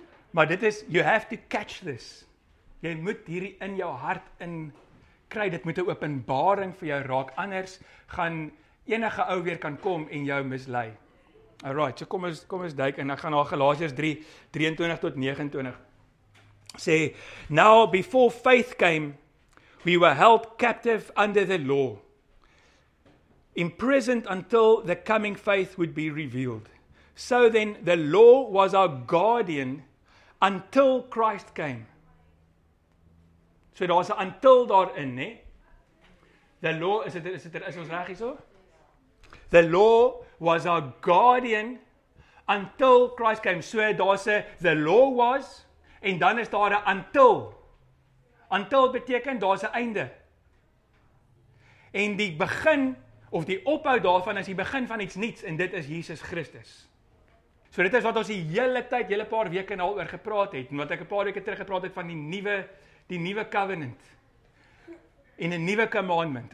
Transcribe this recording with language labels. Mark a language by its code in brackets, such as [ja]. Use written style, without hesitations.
[af] Maar dit is, [en] you have to catch this. [af] Jy moet hierdie in jou hart in kry, dit moet 'n openbaring vir jou raak, anders gaan enige ou weer kan kom en jou mislei. Alright, so kom ons duik en ek gaan na Galasiërs 3, 23 tot 29. [en] Sê, now before faith came, we were held captive under the law, imprisoned until the coming faith would be revealed. So then the law was our guardian until Christ came. [af] So daar's 'n until daarin, né? [en] The law, [af] is ons reg hierso? [en] The law was our guardian until Christ came. [af] So daar's 'n [en] the law was [af] en dan is daar 'n until. Until beteken daar's 'n einde. En die begin of die ophou daarvan is die begin van iets nuuts en dit is Jesus Christus. So dit is wat ons die hele tyd, hele paar weke en al oor gepraat het, en wat ek 'n paar weke terug gepraat het van die nuwe covenant en 'n nuwe commandment.